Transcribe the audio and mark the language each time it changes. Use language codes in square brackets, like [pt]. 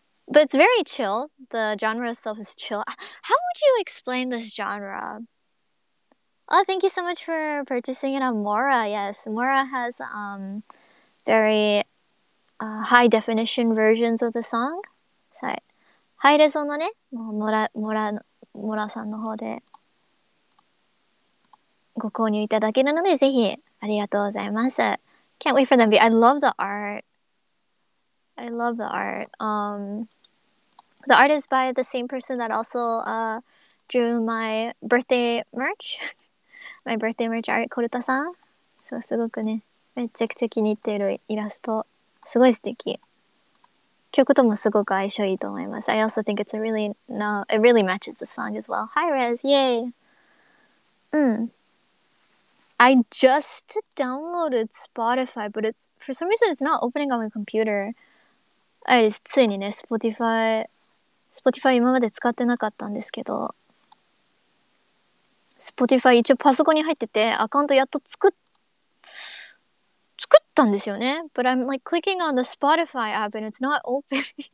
[en] But it's very chill. The genre itself is chill. How would you explain this genre? Oh, thank you so much for purchasing it on Mora. Yes, Mora has very high definition versions of the song. [ja] はい、ハイレゾのね、もうモラモラモラさんの方でご購入いただけるので、ぜひありがとうございます。 [en] Can't wait for them. I love the art. I love the art. The art is by the same person that also drew my birthday merch. My birthday merch art, Koruta san. [ja] So, すごくね、めちゃくちゃ気に入ってるイラスト。すごい素敵。曲ともすごく相性いいと思います。 [en] I also think it's a really, no, it really matches the song as well. Hi, Rez. Yay. I just downloaded Spotify, but it's, for some reason, it's not opening on my computer. [ja] ついにね、Spotify 今まで使ってなかったんですけど、Spotify 一応パソコンに入ってて、アカウントやっと作ったんですよね。 [en] But I'm like clicking on the Spotify app and it's not opening.